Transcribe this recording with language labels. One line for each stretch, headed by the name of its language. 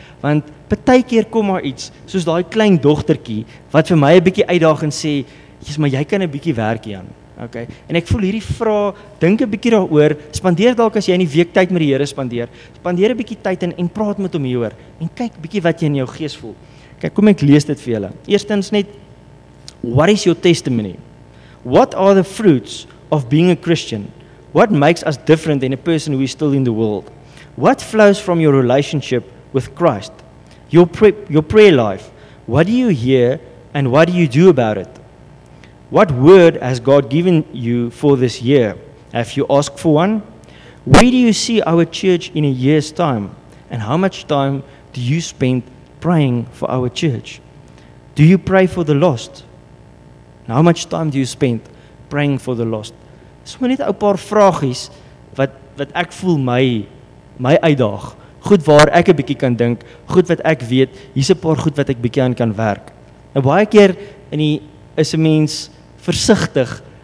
Afrikaans: Want baie keer kom maar iets, soos daai klein dogtertjie, wat vir my 'n bietjie uitdaag en sê, "Jesus, maar jy kan 'n bietjie werk hier aan." Okay. En ek voel hierdie vraag, dink 'n bietjie daaroor, spandeer dalk as jy in die week tyd met die Here spandeer, spandeer 'n bietjie tyd en praat met hom hieroor en kyk bietjie wat jy in jou gees voel. Kyk, kom ek lees dit vir julle. Eerstens net,
English: what is your testimony? What are the fruits of being a Christian? What makes us different than a person who is still in the world? What flows from your relationship with Christ? Your prayer life. What do you hear and what do you do about it? What word has God given you for this year? Have you asked for one? Where do you see our church in a year's time? And how much time do you spend praying for our church? Do you pray for the lost? And how much time do you spend praying for the lost?
Afrikaans: Dis maar net 'n paar vragies wat ek voel my uitdaag. Goed waar ek 'n bietjie kan dink, goed wat ek weet, hier's 'n paar goed wat ek bietjie aan kan werk. Nou baie keer is 'n mens versigtig.